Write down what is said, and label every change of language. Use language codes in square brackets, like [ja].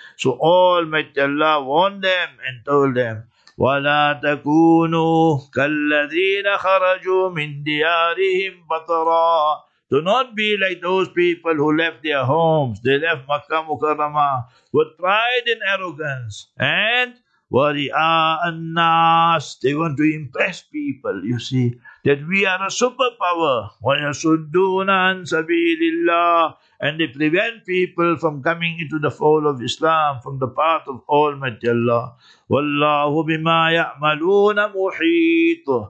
[en] So Almighty Allah warned them and told them, [ar] وَلَا تَكُونُوا كَالَّذِينَ خَرَجُوا مِنْ دِيَارِهِمْ بَطَرًا. [en] Do not be like those people who left their homes. They left Makkah Mukarramah with pride and arrogance. And [ar] وَرِئَاءَ النَّاسِ. [en] They want to impress people, you see, that we are a superpower. [ar] وَيَسُدُّونَ عَنْ سَبِيلِ اللَّهِ. [en] And they prevent people from coming into the fold of Islam, from the path of Almighty Allah. [ar] Wallahu bima ya'maluna muhit.